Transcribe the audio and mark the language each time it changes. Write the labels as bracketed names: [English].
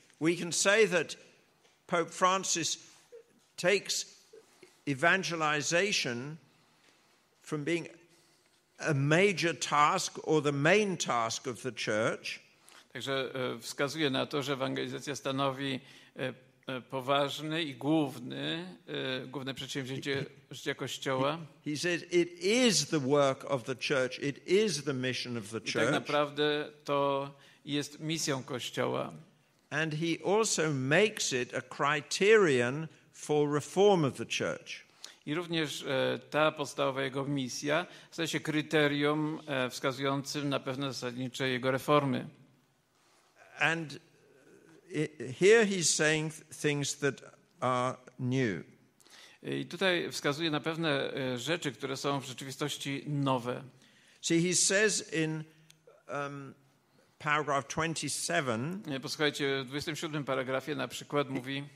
[English] We can say that Pope Francis takes evangelization from being a major task or the main task of the church. [Polish] Także wskazuje na to, że ewangelizacja stanowi poważny i główne przedsięwzięcie życia Kościoła. [English] He says it is the work of the church, it is the mission of the church. [Polish] I tak naprawdę to jest misją Kościoła. [English] And he also makes it a criterion for reform of the church. [Polish] I również ta podstawowa jego misja staje się kryterium wskazującym na pewne zasadnicze jego reformy. [English] And here he's saying things that are new. [Polish] I tutaj wskazuje na pewne rzeczy, które są w rzeczywistości nowe. [English] See, he says in paragraph 27. [Polish] Posłuchajcie, w 27 paragrafie na przykład mówi.